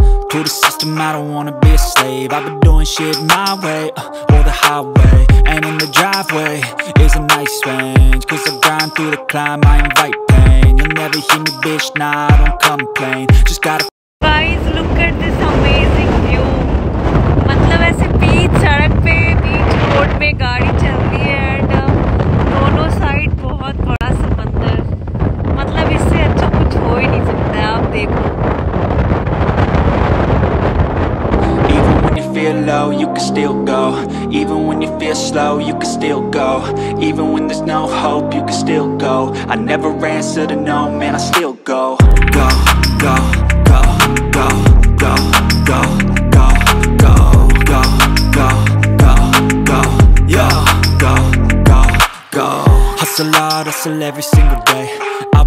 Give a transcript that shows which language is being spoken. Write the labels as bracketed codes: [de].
[en] To the system, I don't wanna be a slave. I've been doing shit my way, or the highway. And in the driveway is a nice range. Cause I grind through the climb, I invite pain. You'll never hear me, bitch, nah, I don't complain. Just gotta. Guys, look at this amazing view. [hi] मतलब ऐसे बीच सड़क पे, बीच road पे गाड़ी चल रही है, and दोनों साइड बहुत बड़ा समंदर। मतलब इससे अच्छा कुछ हो ही नहीं सकता है, आप देखो। [en] Feel low, you can still go. Even when you feel slow, you can still go. Even when there's no hope, you can still go. I never answer to no, man, I still go. Go, go, go, go, go, go, go, go, go, go, go, go, yo, go, go, go. Hustle hard, hustle every single day. I'll